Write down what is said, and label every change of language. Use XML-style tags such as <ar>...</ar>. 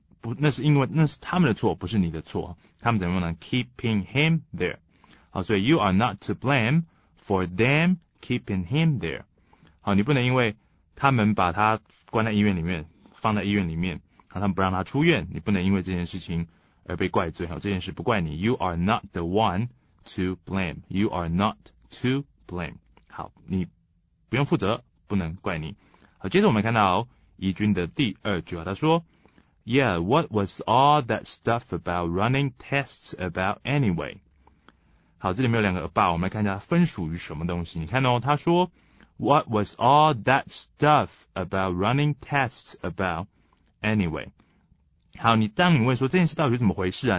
<zh>不，那是因为那是他们的错，不是你的错。他们怎么呢</zh> <en>？Keeping him there，</en> <zh>好，所以</zh> <en>you are not to blame for them keeping him there。</en> <zh>好，你不能因为他们把他关在医院里面，放在医院里面，好，他们不让他出院，你不能因为这件事情而被怪罪。好，这件事不怪你。</zh> <en>You are not the one to blame. You are not to blame。</en> <zh>好，你不用负责，不能怪你。好，接着我们看到怡君的第二句啊，他说。</zh> <en>Yeah, what was all that stuff about running tests about anyway?</en> <zh>好，这里面有两个 about， 我们来看一下它分属于什么东西。你看哦，他说 ，</zh> <en>What was all that stuff about running tests about anyway?</en> <zh>好，你当你问说这件事到底是怎么回事啊？</zh>